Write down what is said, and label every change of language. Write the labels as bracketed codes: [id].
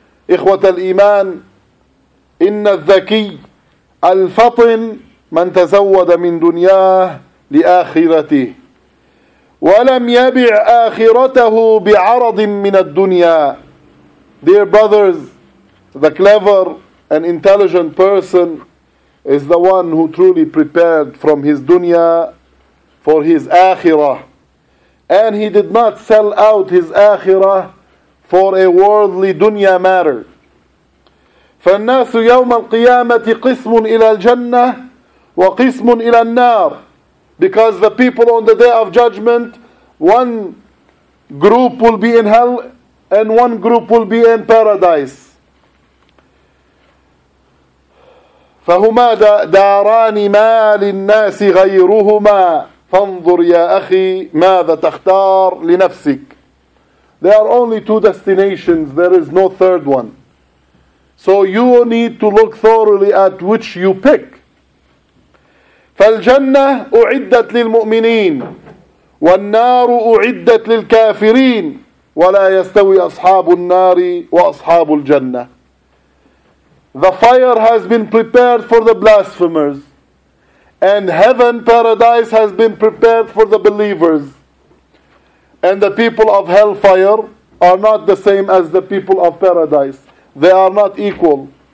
[ar] إخوة الإيمان إن الذكي الفطن من تزود من دنياه لآخرته ولم يبع آخرته بعرض من الدنيا [en] Dear brothers, the clever and intelligent person is the one who truly prepared from his dunya for his akhirah. And he did not sell out his akhirah for a worldly dunya matter. [ar] فَالنَّاسُ يَوْمَ الْقِيَامَةِ قِسْمٌ إِلَى الْجَنَّةِ وَقِسْمٌ إِلَى النَّارِ [en] Because the people on the day of judgment, one group will be in hell and one group will be in paradise. [ar] فَهُمَا دَارَانِ مَا لِلنَّاسِ غَيْرُهُمَا فَانْظُرْ يَا أَخِي مَاذَا تَخْتَارْ لِنَفْسِكَ [en] There are only two destinations, there is no third one. So you need to look thoroughly at which you pick. [ar] فَالْجَنَّةُ أُعِدَّتْ لِلْمُؤْمِنِينَ وَالنَّارُ أُعِدَّتْ لِلْكَافِرِينَ وَلَا يَسْتَوِي أَصْحَابُ النَّارِ وَأَصْحَابُ الْجَنَّةِ [en] The fire has been prepared for the blasphemers. And heaven, paradise, has been prepared for the believers. And the people of hellfire are not the same as the people of paradise. They are not equal.